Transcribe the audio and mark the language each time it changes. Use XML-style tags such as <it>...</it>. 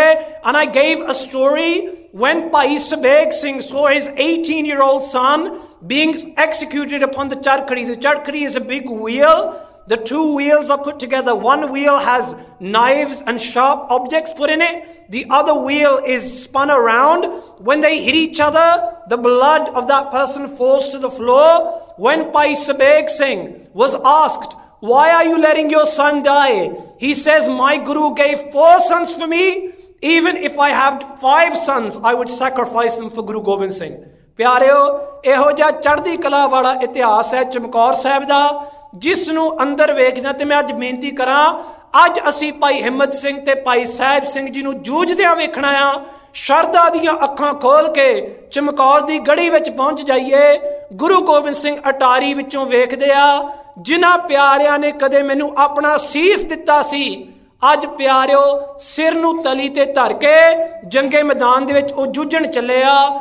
<en>And I gave a story when Bhai Subeg Singh saw his 18-year-old son being executed upon the charkhari. The charkhari is a big wheel, the two wheels are put together, one wheel has knives and sharp objects put in it, the other wheel is spun around. When they hit each other, the blood of that person falls to the floor. When Pai Sabeg Singh was asked, why are you letting your son die? He says, my guru gave 4 sons for me. Even if I had 5 sons, I would sacrifice them for Guru Gobind Singh.</en> <pa>Pyareo, eho ja chardi kala wala itihas hai Chamkaur Sahib da, jis nu andar vekhna te main aj meenti karan, ਅੱਜ ਅਸੀਂ ਭਾਈ ਹਿੰਮਤ ਸਿੰਘ ਤੇ ਭਾਈ ਸਾਹਿਬ ਸਿੰਘ ਜੀ ਨੂੰ ਜੂਝਦਿਆਂ ਵੇਖਣਾ ਆ। ਸ਼ਰਧਾ ਦੀਆਂ ਅੱਖਾਂ ਖੋਲ੍ਹ ਕੇ ਚਮਕੌਰ ਦੀ ਗੜੀ ਵਿੱਚ ਪਹੁੰਚ ਜਾਈਏ, ਗੁਰੂ ਗੋਬਿੰਦ ਸਿੰਘ ਅਟਾਰੀ ਵਿੱਚੋਂ ਵੇਖਦੇ ਆ, ਜਿਨ੍ਹਾਂ ਪਿਆਰਿਆਂ ਨੇ ਕਦੇ ਮੈਨੂੰ ਆਪਣਾ ਸੀਸ ਦਿੱਤਾ ਸੀ, ਅੱਜ ਪਿਆਰਿਓ ਸਿਰ ਨੂੰ ਤਲੀ ਤੇ ਧਰ ਕੇ ਜੰਗੇ ਮੈਦਾਨ ਦੇ ਵਿੱਚ ਉਹ ਜੂਝਣ ਚੱਲੇ ਆ।</pa>